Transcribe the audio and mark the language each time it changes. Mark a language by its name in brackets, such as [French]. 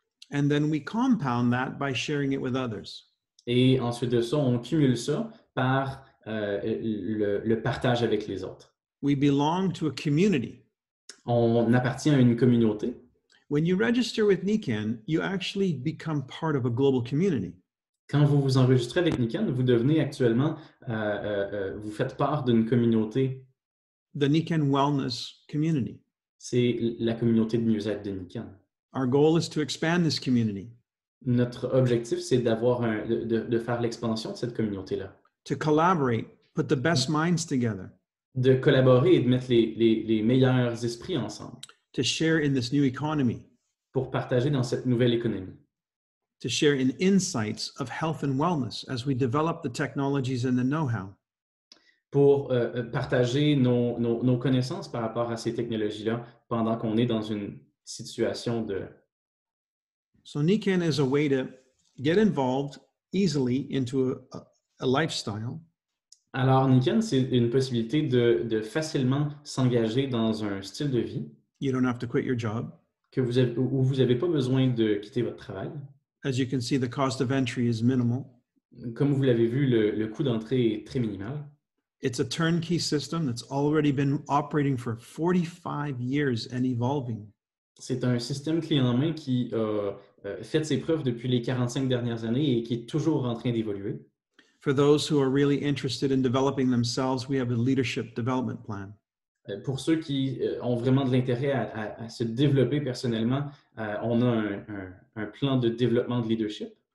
[English] And then we compound that by sharing it with others. [French] Et ensuite de ça, on cumule ça par le partage avec les autres. [English] We belong to a community. [French] On appartient à une communauté. [English] When you register with Niken, you actually become part of a global community. [French] Quand vous vous enregistrez avec Niken, vous devenez actuellement, vous faites part d'une communauté. [English] The Niken Wellness Community. [French] C'est la communauté de mieux-être de Niken. [English] Our goal is to expand this community. [French] Notre objectif, c'est de faire l'expansion de cette communauté-là. [English] To collaborate, put the best minds together. [French] De collaborer et de mettre les meilleurs esprits ensemble. [English] To share in this new economy. [French] Pour partager dans cette nouvelle économie. [English] To share in insights of health and wellness as we develop the technologies and the know-how. [French] Pour partager nos connaissances par rapport à ces technologies-là pendant qu'on est dans une situation de... [English] So Niken is a way to get involved easily into a lifestyle. [French] Alors Niken, c'est une possibilité de facilement s'engager dans un style de vie. [English] You don't have to quit your job. [French] Vous n'avez pas besoin de quitter votre travail. [English] As you can see, the cost of entry is minimal. [French] Comme vous l'avez vu, le coût d'entrée est très minimal. [English] It's a turnkey system that's already been operating for 45 years and evolving. [French] C'est un système clé en main qui a fait ses preuves depuis les 45 dernières années et qui est toujours en train d'évoluer. [English] For those who are really interested in developing themselves, we have a leadership development plan. [French] Pour ceux qui ont vraiment de l'intérêt à se développer personnellement, on a un plan de développement de leadership.